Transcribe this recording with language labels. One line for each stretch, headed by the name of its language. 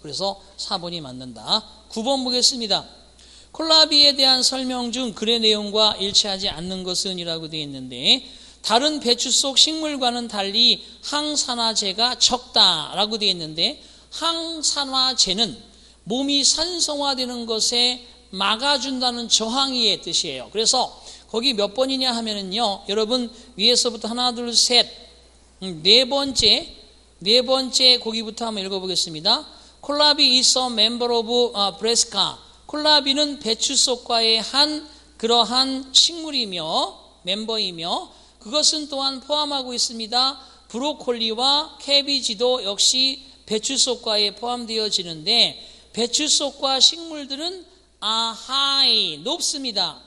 Korean: 그래서 4번이 맞는다. 9번 보겠습니다. 콜라비에 대한 설명 중 글의 내용과 일치하지 않는 것은 이라고 되어 있는데, 다른 배추 속 식물과는 달리 항산화제가 적다라고 되어 있는데, 항산화제는 몸이 산성화되는 것에 막아준다는 저항의 뜻이에요. 그래서 거기 몇 번이냐 하면은요, 여러분 위에서부터 하나 둘 셋 네 번째 고기부터 한번 읽어보겠습니다.
English: 콜라비 is a member of Brassica.
Korean: 콜라비는 배추속과의 한 그러한 식물이며 멤버이며 그것은 또한 포함하고 있습니다. 브로콜리와 캐비지도 역시 배추속과에 포함되어지는데 배추속과 식물들은 아하이 높습니다.